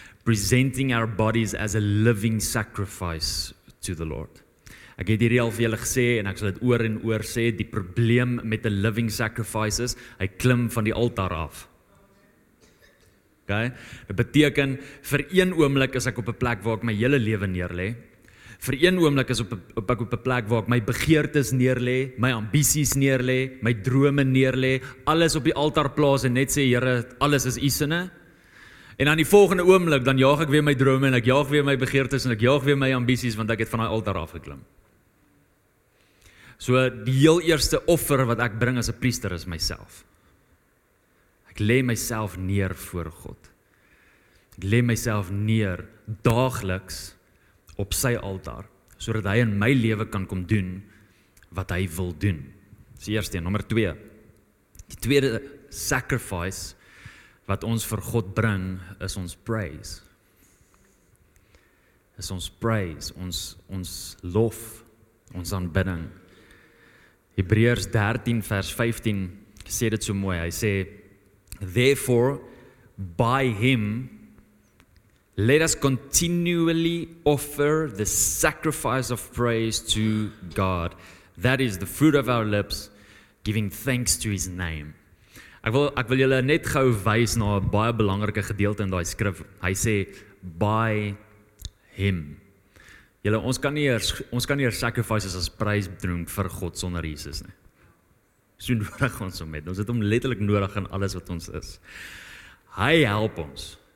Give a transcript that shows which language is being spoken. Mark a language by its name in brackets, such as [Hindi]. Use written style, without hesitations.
[English] Presenting our bodies as a living sacrifice to the Lord. [Afrikaans] Ek het hierdie al vir julle gesê en ek sal dit oor en oor sê, die probleem met 'n [English] living sacrifice [Afrikaans] is, hy klim van die altaar af. Okay? Dit beteken, vir een oomblik is ek op 'n plek waar ek my hele lewe neerlê. Vir een oomblik is ek op 'n plek waar ek my begeertes neerlê, my ambisies neerlê, my drome neerlê, alles op die altaar plaas en net sê, Here, alles is U sinne. En aan die volgende oomblik, dan jaag ek weer my drome en ek jaag weer my begeertes en ek jaag weer my ambisies, want ek het van die altaar af geklim. So die heel eerste offer wat ek bring as 'n priester is myself. Ek lê myself neer voor God. Ek lê myself neer daagliks op sy altaar, sodat hy in my lewe kan kom doen wat hy wil doen. Dis die eerste, nommer 2. Die tweede sacrifice wat ons vir God bring is ons praise. Is ons praise, ons lof, ons aanbidding. Hebreërs 13 vers 15 sê dit so mooi. Hy sê, [English] therefore, by him, let us continually offer the sacrifice of praise to God. That is the fruit of our lips, giving thanks to his name. [Afrikaans] Ek wil julle net gou wys na 'n baie belangrike gedeelte in daai skrif. Hy sê, [English] by him. [Afrikaans] Julle, ons kan nie eers sacrifices as prys bring vir God sonder Jesus nie. So nodig ons hom het. Ons het hom letterlik nodig in alles wat ons is. Hy help ons.